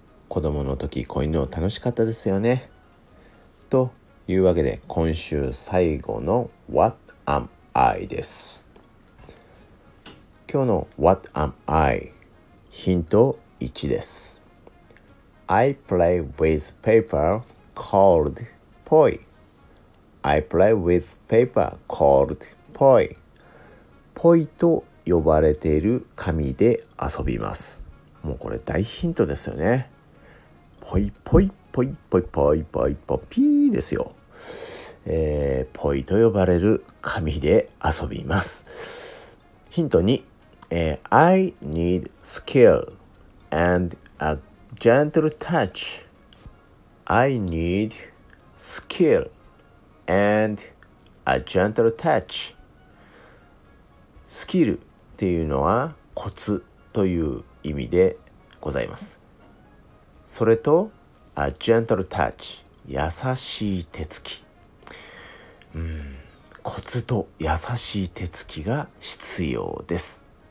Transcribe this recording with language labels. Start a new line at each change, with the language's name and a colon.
Japanese: 子供の時こういうの楽しかったですよね。というわけで今週最後の
English: What am I
Japanese: です。今日の
English: What am I
Japanese: ヒント1です。
English: I play with paper called poi. I play with paper called poi.
Japanese: ポイと呼ばれている紙で遊びます。もうこれ大ヒントですよね。ポイポイポイポイポイポイポピーですよ。ポイと呼ばれる紙で遊びます。ヒント2、
English: I need skill and a gentle touch. I need skill and a gentle touch.
Japanese: スキルっていうのはコツという意味でございます。それと、
English: a gentle touch、
Japanese: 優しい手つき。コツと優しい手つきが必要です。